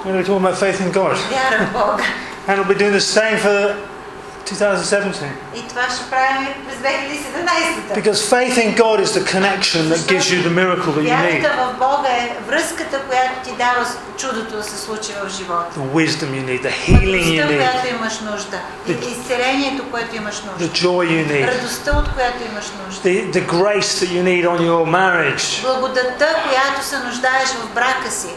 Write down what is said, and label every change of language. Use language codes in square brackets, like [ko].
[en] We're going to be talking about faith in God. [bg] Вяра в Бог. [en] And we'll be doing the same for 2017. [bg] И това ще правим през 2017. [en] Because faith in God is the connection that gives you the miracle that you need. [bg] Вярата в Бога е връзката, която ти дава чудото да се случи в живота. [en] The wisdom you need, the healing you need. [bg] Мъдростта, която имаш нужда. Изцелението, което имаш нужда. [en] The joy you need. [bg] Радостта, от която имаш нужда. [en] The grace that you need on your marriage. [bg] Благодата, която се нуждаеш в брака си.